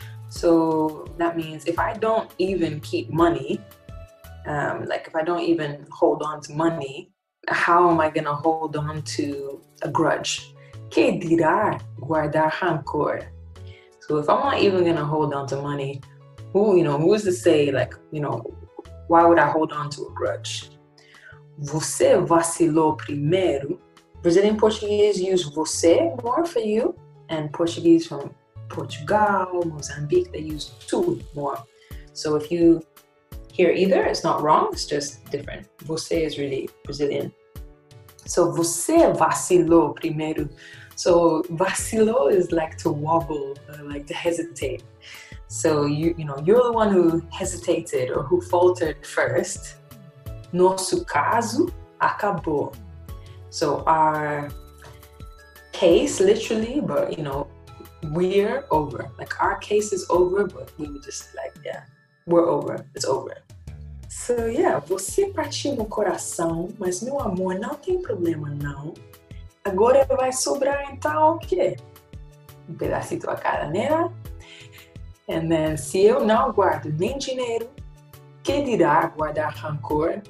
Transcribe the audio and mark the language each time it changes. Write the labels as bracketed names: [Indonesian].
[English] So that means if I don't even keep money, like if I don't even hold on to money, how am I gonna hold on to a grudge? [Portuguese] Que dirá guardar rancor? [English] So if I'm not even gonna hold on to money, who's to say, like, you know, why would I hold on to a grudge? Você vacilou primeiro. Brazilian Portuguese use você more for you, and Portuguese from Portugal, Mozambique, they use tu more. So if you here either, it's not wrong, it's just different. Você is really Brazilian. [Portuguese] So, você vacilou primeiro. [English] So, vacilou is like to wobble, like to hesitate. So, you're the one who hesitated or who faltered first. Nosso caso acabou. So, our case, literally, but, you know, we're over. Like, our case is over, but we were just like, yeah, we're over, it's over. [Portuguese] So, yeah, você partiu meu coração, mas, meu amor, não tem problema, não. Agora vai sobrar, então, o quê? [Spanish] Um pedacito a cada nena. [Portuguese] And then, se eu não guardo nem dinheiro, que dirá guardar rancor?